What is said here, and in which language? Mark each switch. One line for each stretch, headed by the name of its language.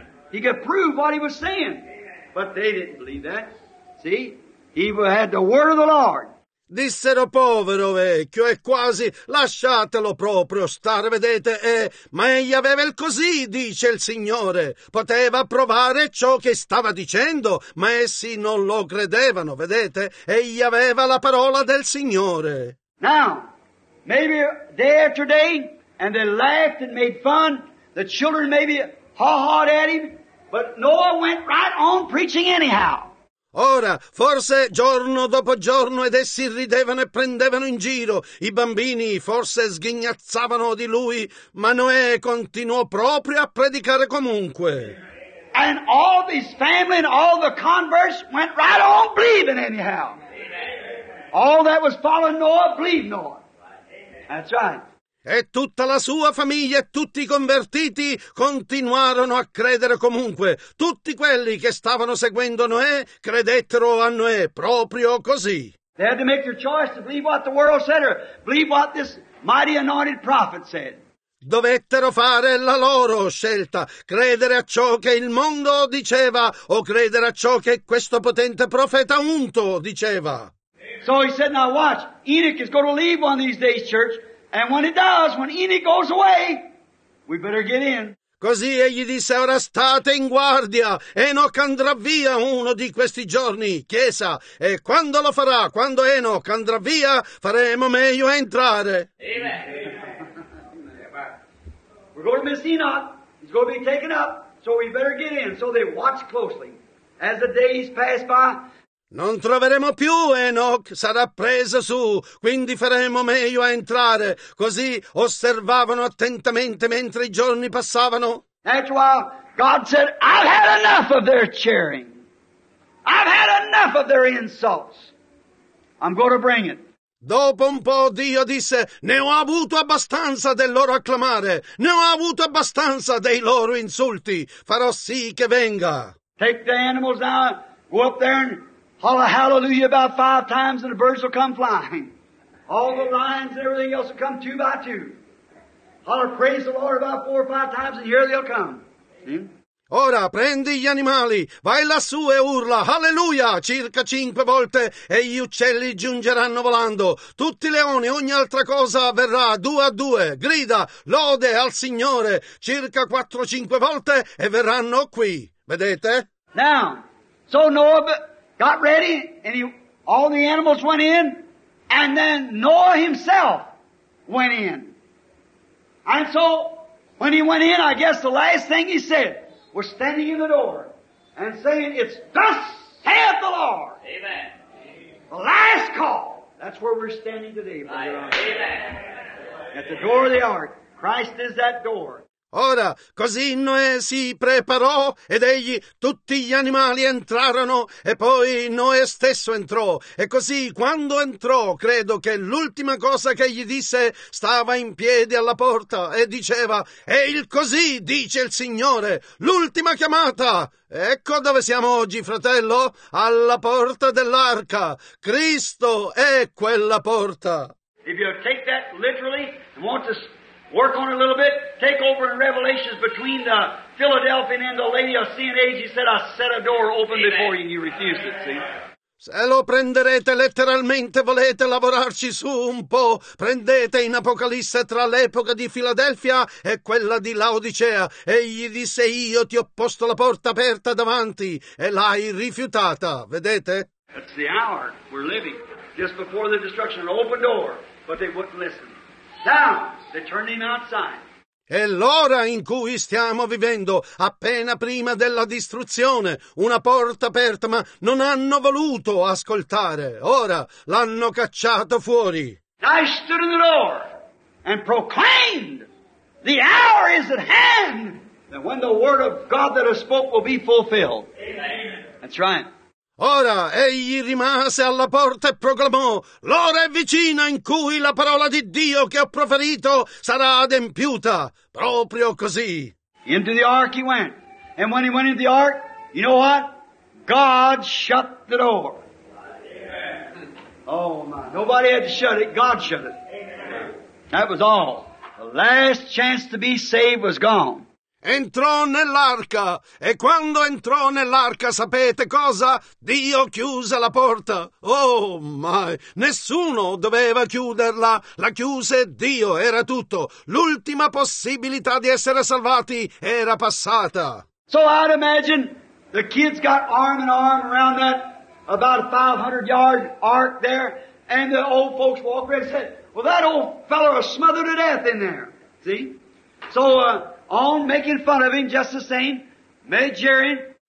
English: He could prove what he was saying. But they didn't believe that. See? He had the word of the Lord.
Italian: Dissero, povero vecchio, è quasi, lasciatelo proprio stare, vedete, ma egli aveva il così, dice il Signore. Poteva provare ciò che stava dicendo, ma essi non lo credevano, vedete, egli aveva la parola del Signore.
English: Now, maybe day after day, and they laughed and made fun, the children maybe ha-ha'd at him, but Noah went right on preaching anyhow.
Italian: Ora, forse giorno dopo giorno ed essi ridevano e prendevano in giro. I bambini forse sghignazzavano di lui, ma Noè continuò proprio a predicare comunque.
English: And all his family and all the converts went right on believing anyhow. All that was following Noah believed Noah. That's right.
Italian: E tutta la sua famiglia e tutti i convertiti continuarono a credere comunque. Tutti quelli che stavano seguendo Noè credettero a Noè proprio così.
English: They had to make their choice to believe what the world said or believe what this mighty anointed prophet said.
Italian: Dovettero fare la loro scelta, credere a ciò che il mondo diceva o credere a ciò che questo potente profeta unto diceva.
English: So he said, now watch, Enoch is going to leave one of these days, church. And when it does, when Enoch goes away, we better get in.
Italian: Così egli disse, ora state in guardia, Enoch andrà via uno di questi giorni, chiesa. E quando lo farà, quando Enoch andrà via, faremo meglio a entrare.
English: Amen. We're going to miss Enoch. He's going to be taken up, so we better get in. So they watch closely. As the days pass by,
Italian: non troveremo più Enoch, sarà preso su, quindi faremo meglio a entrare. Così osservavano attentamente mentre i giorni passavano.
English: After a while, God said, I've had enough of their cheering. I've had enough of their insults. I'm going to bring it.
Italian: Dopo un po' Dio disse, ne ho avuto abbastanza del loro acclamare, ne ho avuto abbastanza dei loro insulti, farò sì che venga.
English: Take the animals now, go up there and holla hallelujah about five times and the birds will come flying. All the lines and everything else will come two by two. Holler, praise the Lord, about four or five times, and here they'll come. See?
Italian: Ora prendi gli animali, vai lassù e urla alleluia circa cinque volte e gli uccelli giungeranno volando, tutti i leoni, ogni altra cosa verrà due a due, grida lode al Signore circa 4-5 volte e verranno qui, vedete?
English: Now, so Noah got ready and all the animals went in and then Noah himself went in. And so when he went in, I guess the last thing he said, we're standing in the door and saying, it's thus saith the Lord. Amen. The last call. That's where we're standing today. Amen. At the door of the ark. Christ is that door.
Italian: Ora, così Noè si preparò ed egli, tutti gli animali entrarono e poi Noè stesso entrò. E così, quando entrò, credo che l'ultima cosa che gli disse stava in piedi alla porta e diceva, e il così, dice il Signore, l'ultima chiamata. Ecco dove siamo oggi, fratello, alla porta dell'arca. Cristo è quella porta.
English: If you take that literally, you want to work on it a little bit. Take over in Revelations between the Philadelphian and the lady of sin age. He said, I set a door open before you and you refused it, see?
Italian: Se lo prenderete letteralmente, volete lavorarci su un po', prendete in Apocalisse tra l'epoca di Filadelfia e quella di Laodicea. Egli disse, io ti ho posto la porta aperta davanti e l'hai rifiutata, vedete?
English: That's the hour we're living, just before the destruction, an open door, but they wouldn't listen. Now, they turned him outside.
Italian: È l'ora in cui stiamo vivendo, appena prima della distruzione, una porta aperta, ma non hanno voluto ascoltare. Ora l'hanno cacciato fuori.
English: I stood in the door and proclaimed, the hour is at hand, that when the word of God that I spoke will be fulfilled. Amen. That's right.
Italian: Ora egli rimase alla porta e proclamò, l'ora è vicina in cui la parola di Dio che ho proferito sarà adempiuta, proprio così.
English: Into the ark he went, and when he went into the ark, you know what? God shut the door. Amen. Oh my, nobody had to shut it, God shut it. Amen. That was all. The last chance to be saved was gone.
Italian: Entrò nell'arca, e quando entrò nell'arca, sapete cosa? Dio chiuse la porta. Oh, mai! Nessuno doveva chiuderla. La chiuse Dio, era tutto. L'ultima possibilità di essere salvati era passata.
English: So I'd imagine the kids got arm in arm around that about 500-yard ark there, and the old folks walked around and said, well, that old fellow was smothered to death in there. See? On making fun of him, just the same, made Jerry.